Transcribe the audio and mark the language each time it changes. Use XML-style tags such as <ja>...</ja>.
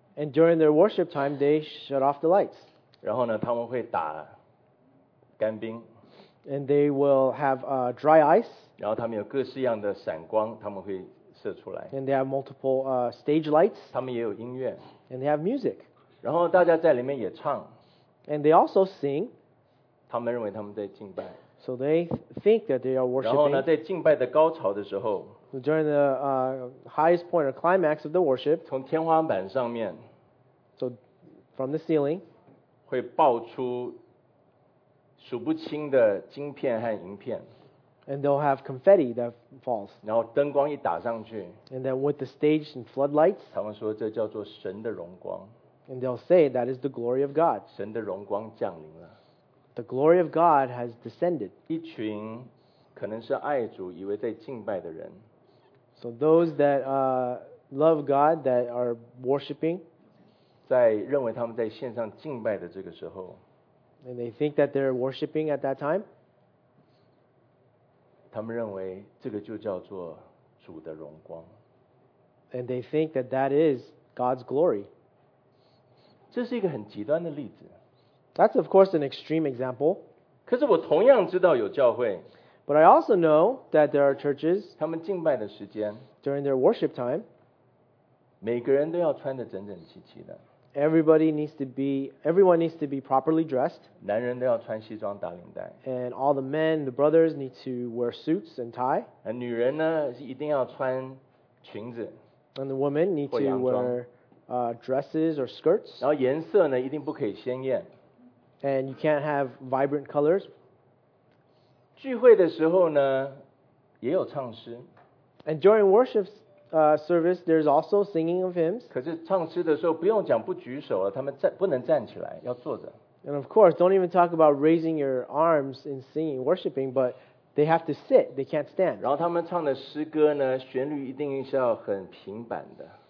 <en>And during their worship time, they shut off the lights.</en> <zh>然后呢他们会打干冰。</zh> <en>And they will have dry ice.</en> <zh>然后他们有各式样的闪光他们会射出来。</zh> <en>And they have multiple stage lights.</en> <zh>他们也有音乐。</zh> <en>And they have music.</en> <zh>然后大家在里面也唱。</zh> <en>And they also sing.</en> <zh>他们认为他们在敬拜。</zh> <en>So they think that they are worshiping.</en> <zh>然后呢在敬拜的高潮的时候。</zh> <en>So、during the highest point or climax of the worship.</en> <zh>从天花板上面。</zh> <en>So from the ceiling.</en> <zh>会爆出数不清的晶片和银片。</zh> <en>And they'll have confetti that falls.</en> <zh>然后灯光一打上去。</zh> <en>And then with the stage and floodlights.</en> <zh>他们说这叫做神的荣光。</zh> <en>And they'll say that is the glory of God.</en> <zh>神的荣光降临了。</zh> <en>The glory of God has descended.</en> <zh>一群可能是爱主以为在敬拜的人。</zh> <en>So those that love God that are worshiping.</en> <zh>在认为他们在线上敬拜的这个时候。</zh> <en>And they think that they're worshiping at that time.</en> <zh>他们认为这个就叫做主的荣光。</zh> <en>And they think that that is God's glory.</en> <zh>这是一个很极端的例子。</zh> <en>That's of course an extreme example.</en> <zh>可是我同样知道有教会。</zh> <en>But I also know that there are churches.</en> <zh>他们敬拜的时间。</zh> <en>During their worship time.</en> <zh>每个人都要穿得整整齐齐的。</zh> <en>Everyone needs to be properly dressed.</en> <zh>男人都要穿西装打领带。</zh> <en>And all the men, the brothers need to wear suits and tie.</en> <zh>女人呢是一定要穿裙子。</zh> <en>And the women need to wear dresses or skirts.</en> <zh>然后颜色呢一定不可以鲜艳。</zh> <en>And you can't have vibrant colors.</en> <zh>聚会的时候呢也有唱诗。</zh> <en>And during worship service, there's also singing of hymns.</en> <zh>可是唱诗的时候不用讲不举手了，他们不能站起来，要坐着。</zh> <en>And of course, don't even talk about raising your arms in singing, worshiping, but they have to sit, they can't stand.</en> <zh>然后他们唱的诗歌呢，旋律一定是要很平板的。</zh>